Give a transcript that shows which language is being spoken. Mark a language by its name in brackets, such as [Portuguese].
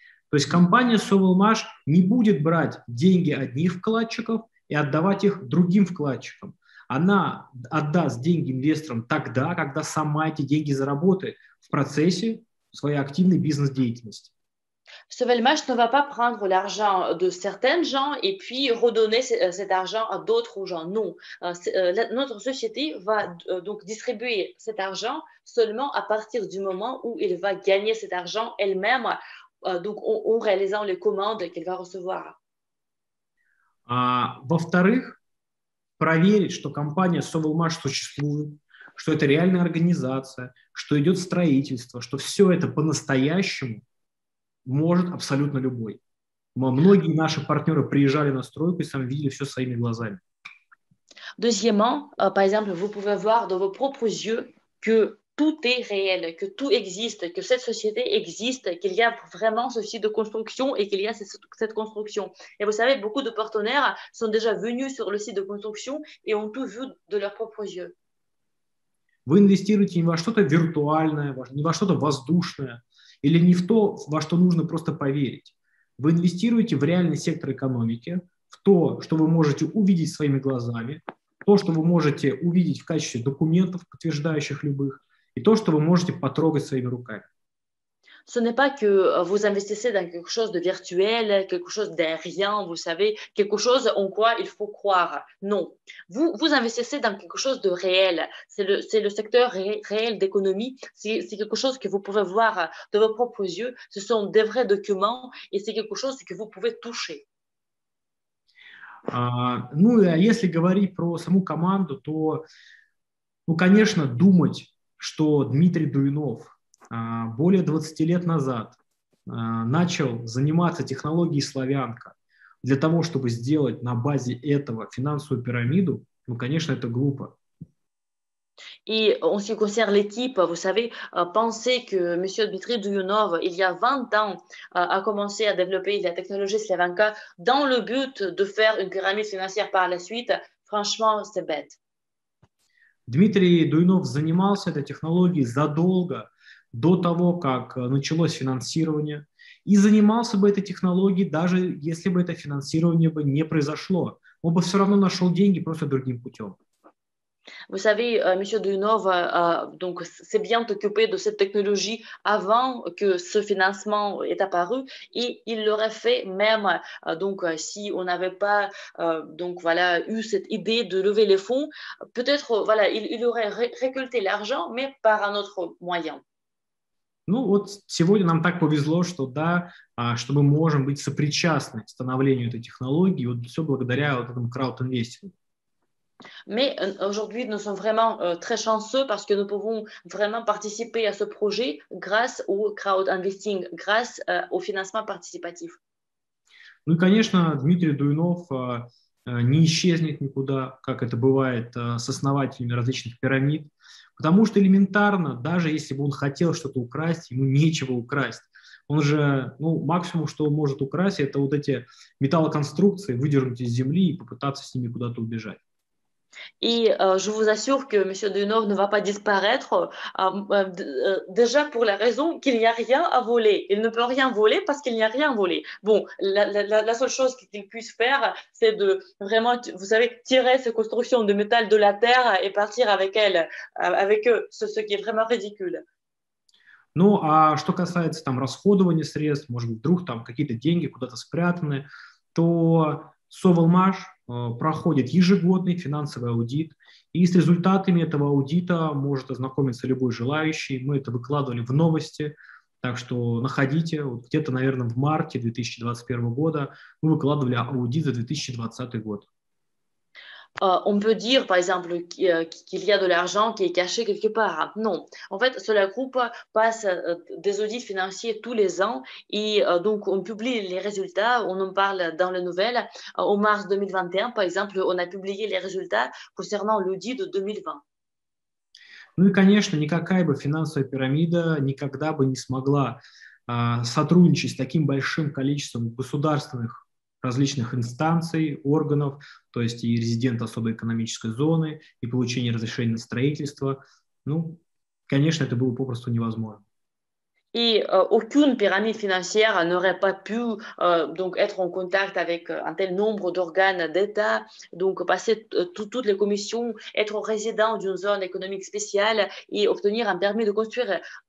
[Russian] То есть компания Sovelmash не будет брать деньги одних вкладчиков и отдавать их другим вкладчикам. Она отдаст деньги инвесторам тогда, когда сама эти деньги заработает в процессе своей активной бизнес-деятельности. [French] Sovelmash ne va pas prendre l'argent de certains gens et puis redonner cet argent à d'autres gens. Non, notre société va donc distribuer cet argent seulement à partir du moment où elle va gagner cet argent elle-même, donc en réalisant les commandes qu'elle va recevoir. [Russian] Во-вторых, проверить, что компания Sovelmash существует, что это реальная организация, что идет строительство, что все это по-настоящему может абсолютно любой. Многие наши партнеры приезжали на стройку и сами видели все своими глазами. [French] Deuxièmement, par exemple, vous pouvez voir de vos propres yeux que tout est réel, que tout existe, que cette société existe, qu'il y a vraiment ce site de construction et qu'il y a cette construction. Et vous savez, beaucoup de partenaires sont déjà venus sur le site de construction et ont tout vu de leurs propres yeux. [Russian] Вы инвестируете не во что-то виртуальное, не во что-то воздушное, или не в то, во что нужно просто поверить. Вы инвестируете в реальный сектор экономики, в то, что вы можете увидеть своими глазами, то, что вы можете увидеть в качестве документов, подтверждающих любых, и то, что вы можете потрогать своими руками. [French] Ce n'est pas que vous investissez dans quelque chose de virtuel, quelque chose d'aérien, vous savez, quelque chose en quoi il faut croire. Non, vous investissez dans quelque chose de réel. C'est le secteur réel d'économie. C'est quelque chose que vous pouvez voir de vos propres yeux. Ce sont des vrais documents et c'est quelque chose que vous pouvez toucher. [Russian] Ну, если говорить про саму команду, то, ну, конечно, думать, что Дмитрий Дуйнов более 20 лет назад начал заниматься технологией «Славянка» для того, чтобы сделать на базе этого финансовую пирамиду, ну, конечно, это глупо. И [French] en ce qui concerne l'équipe, vous savez, penser que monsieur Dmitri Duyunov, il y a 20 ans, a commencé à développer la technologie Slavanka dans le but de faire une pyramide financière par la suite, franchement, c'est bête. [Russian] Дмитрий Дуйнов занимался этой технологией задолго до того, как началось финансирование, и занимался бы этой технологией, даже если бы это финансирование бы не произошло. Он бы все равно нашел деньги просто другим путем. [French] Vous savez, monsieur Duyunov, donc s'est bien occupé de cette technologie avant que ce financement ait apparu, et il l'aurait fait même donc si on n'avait pas donc voilà eu cette idée de lever les fonds. Peut-être voilà il aurait récolté l'argent, mais par un autre moyen. [Russian] Ну вот сегодня нам так повезло, что да, что мы можем быть сопричастны к становлению этой технологии, вот все благодаря вот этому краудинвестингу. [French] Mais aujourd'hui, nous sommes vraiment très chanceux parce que nous pouvons vraiment participer à ce projet grâce au crowd investing, grâce au financement participatif. [Russian] Ну и, конечно, Дмитрий Дуйнов не исчезнет никуда, как это бывает с основателями различных пирамид, потому что элементарно, даже если бы он хотел что-то украсть, ему нечего украсть. Он же, ну, максимум, что он может украсть, это вот эти металлоконструкции, выдернуть из земли и попытаться с ними куда-то убежать. [French] Et je vous assure que M. Dunor ne va pas disparaître, déjà pour la raison qu'il n'y a rien à voler. Il ne peut rien voler parce qu'il n'y a rien volé. Bon, la seule chose qu'il puisse faire, c'est de vraiment, vous savez, tirer ces constructions de métal de la terre et partir avec elles, avec eux, ce qui est vraiment ridicule. [Russian] Ну, а что касается там расходования средств, может быть, вдруг там какие-то деньги куда-то спрятаны, то Совалмаш проходит ежегодный финансовый аудит, и с результатами этого аудита может ознакомиться любой желающий. Мы это выкладывали в новости, так что находите. Вот где-то, наверное, в марте 2021 года мы выкладывали аудит за 2020 год. [French] On peut dire, par exemple, qu'il y a de l'argent qui est caché quelque part. Non. En fait, ce groupe passe des audits financiers tous les ans et donc on publie les résultats, on en parle dans les nouvelles. En mars 2021, par exemple, on a publié les résultats concernant l'audit de 2020. [Russian] Ну и, конечно, никакая бы финансовая пирамида никогда бы не смогла сотрудничать с таким большим количеством государственных различных инстанций, органов, то есть и резидент особой экономической зоны, и получение разрешения на строительство. Ну, конечно, это было попросту невозможно. [French] Et aucune pyramide financière n'aurait pas pu donc être en contact avec un tel nombre d'organes d'État, donc passer toutes les commissions, être résident d'une zone économique spéciale et obtenir un permis de construire.